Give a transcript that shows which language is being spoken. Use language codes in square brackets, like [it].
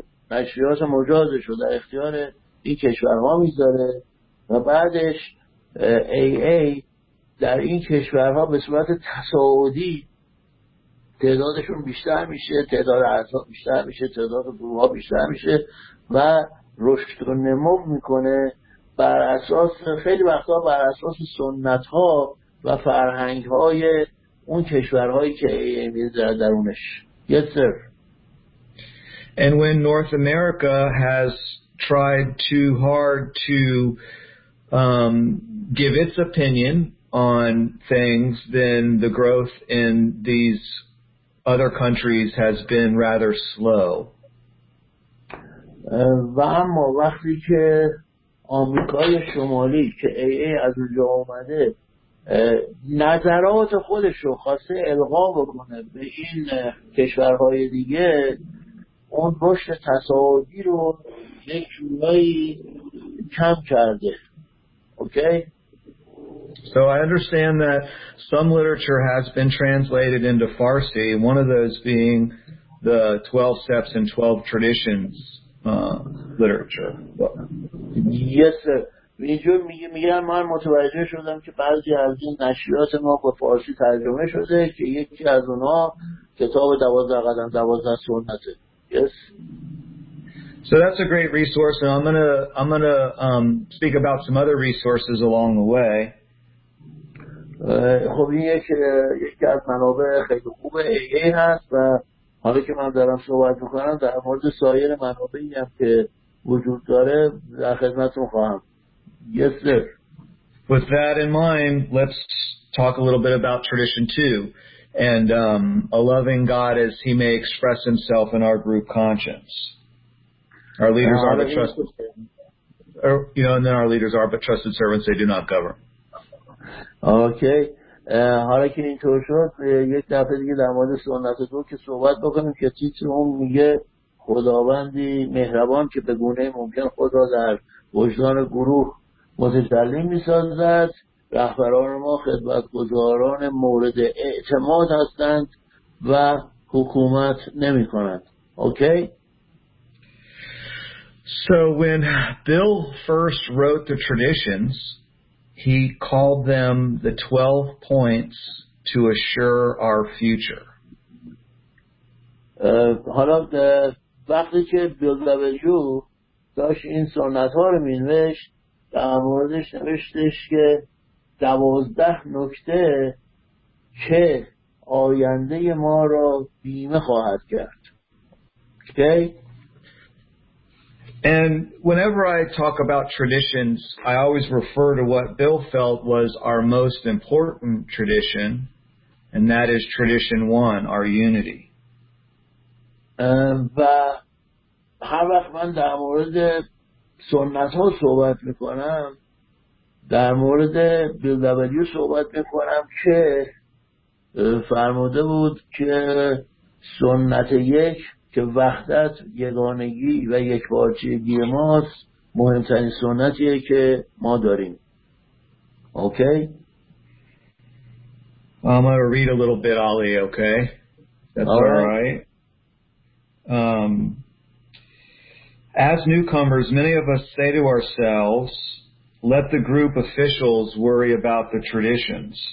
[fa] نشریات مجازش رو در اختیار این کشورها میذاره و بعدش ای در این کشورها به صورت تصاعدی تعدادشون بیشتر میشه، تعداد اعضا بیشتر میشه، تعداد گروه‌ها بیشتر میشه و رشد و نمو میکنه بر اساس خیلی وقتا بر اساس سنت‌ها و فرهنگ‌های اون کشورهایی که درونش. [en] Yes sir. And when North America has tried too hard to give its opinion on things, then the growth in these other countries has been rather slow. [fa] و اما وقتی که آمریکای شمالی که ای از اونجا اومده نظرات خودش رو خواسته القا بکنه به این کشورهای دیگه، اون رشد تصاعدی رو یک جورایی کم کرده. [en] Okay? So I understand that some literature has been translated into Farsi, one of those being the 12 Steps and 12 Traditions literature. Yes, sir. [fa] اینجور میگن من متوجه شدم که بعضی از این نشریات ما به فارسی ترجمه شده که یکی از اونا کتاب 12 قدم 12 سنت. [en] Yes. So that's a great resource, and I'm gonna speak about some other resources along the way. [fa] خب این یکی از منابع خیلی خوب ای ای هست و حالا که من دارم صحبت میکنم در مورد سایر منابعی هم که وجود داره در خدمتتون خواهم. [en] Yes sir. With that in mind, let's talk a little bit about tradition two and a loving God as he may express himself in our group conscience. Our leaders are but trusted, you know, and then our leaders are but trusted servants, they do not govern. Okay. [fa] حالا که اینطور شد یک دفعه دیگه در مورد سنت دو که صحبت بکنیم که تیتر اون میگه خداوندی مهربان که به گونه ممکن خود را در وجدان گروه متجلی می‌سازد، رهبران ما خدمتگزاران مورد اعتماد هستند و حکومت نمی‌کنند. اوکی. [en] So when Bill first wrote the traditions, he called them the 12 points to assure our future. [fa] حالا وقتی که بیل دبلیو داشت این سنت ها رو می نوشت، در موردش نوشتش که 12 نکته که آینده ما را بیمه خواهد کرد. [en] Okay. And whenever I talk about traditions, I always refer to what Bill felt was our most important tradition, and that is tradition one, our unity. [fa] و هر وقت من در مورد سنت ها صحبت میکنم، در مورد بیل دبلیو صحبت میکنم که فرموده بود که سنت یک که وحدت، یگانگی و یکپارچگی ماست، مهمترین سنتیه که ما داریم. [en] Okay? I'm going to read a little bit, Ali, okay? That's all right. As newcomers, many of us say to ourselves, let the group officials worry about the traditions.